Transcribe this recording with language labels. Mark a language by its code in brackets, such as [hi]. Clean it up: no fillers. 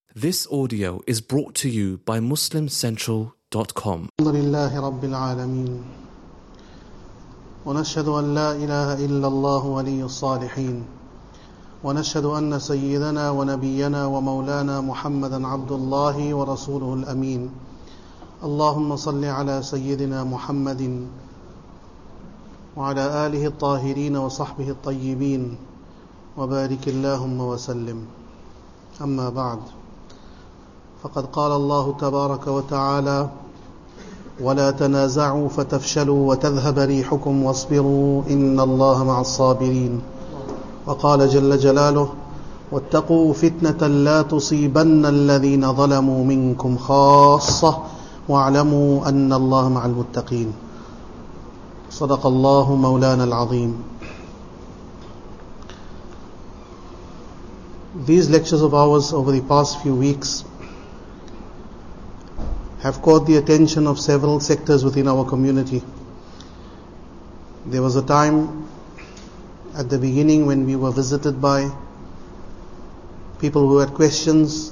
[en] This audio is brought to you by MuslimCentral.com. [ar] الحمد لله رب العالمين ونشهد أن لا إله إلا الله ولي الصالحين ونشهد أن سيدنا ونبينا ومولانا محمدا عبد الله ورسوله الأمين اللهم صل على سيدنا محمد وعلى آله الطاهرين وصحبه الطيبين وبارك اللهم وسلم أما بعد فقد قال الله تبارك وتعالى ولا تنازعوا فتفشلوا وتذهب ريحكم واصبروا إن الله مع الصابرين وقال جل جلاله واتقوا فتنة لا تصيبن الذين ظلموا منكم خاصة واعلموا أن الله مع المتقين صدق الله مولانا العظيم. [en] These lectures of ours over the past few weeks have caught the attention of several sectors within our community. There was a time at the beginning when we were visited by people who had questions.